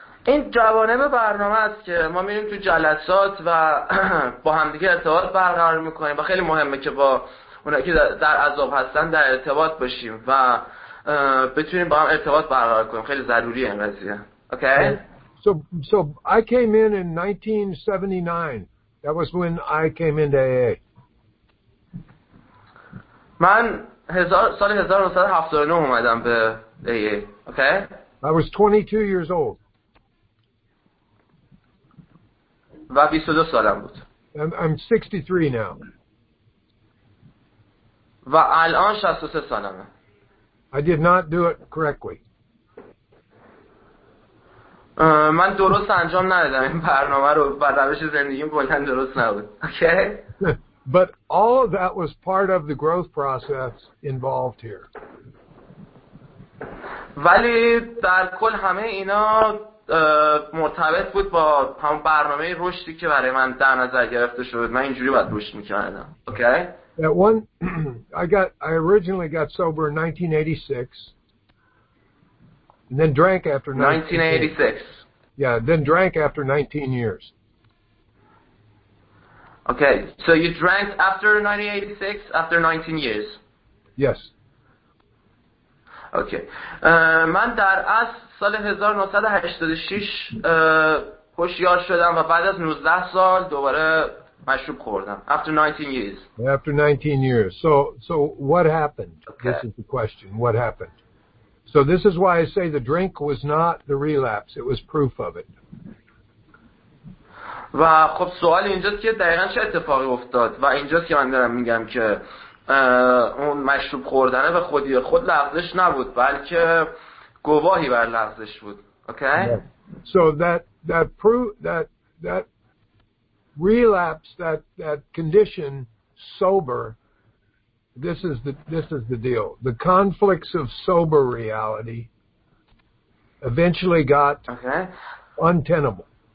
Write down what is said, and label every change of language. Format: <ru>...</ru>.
<fa>این جوانب برنامه است که ما میریم تو جلسات و با همدیگه ارتباط برقرار میکنیم و خیلی مهمه که با اونایی که در عذاب هستن در ارتباط باشیم و بتونیم با هم ارتباط برقرار کنیم. خیلی ضروریه این قضیه. اوکی؟</fa> <en>So I came in 1979. That was when I came into AA.</en> <fa>من سال 1979 اومدم به AA. Okay?</fa> <en>I was 22 years old.</en> <fa>و 22 سالم بود.</fa> <en>I'm 63 now.</en> <fa>و الان 63 سالمه.</fa> <en>I did not do it correctly.</en> <fa>من درست انجام ندادم این برنامه رو و روش زندگیم کلا درست نبود.</fa> <en>Okay? But all of that was part of the growth process involved here.</en> <fa>ولی در کل همه اینا مرتبط بود با همون برنامه رشدی که برای من در نظر گرفته شد. من اینجوری باید رشد میکردم.</fa> <en>Okay? That one, I originally got sober in 1986. And then drank after 1986. Yeah, then drank after 19 years. Okay, so you drank after 1986, after 19 years? Yes. Okay.</en> <fa>من در از سال 1986 هوشیار شدم و بعد از 19 سال دوباره مشروب خوردم.</fa> <en>After 19 years. After 19 years. So what happened? Okay. This is the question. What happened? So this is why I say the drink was not the relapse. It was proof of it.</en> <fa>و خب سوال اینجاست که دقیقاً چه اتفاقی افتاد و اینجاست که من دارم میگم که اون مشروب خوردنه به خودی خود لغزش نبود بلکه گواهی بر لغزش بود.</fa> <en>Okay? So that proof that relapse that condition sober, This is the deal. The conflicts of sober reality eventually got untenable.</en>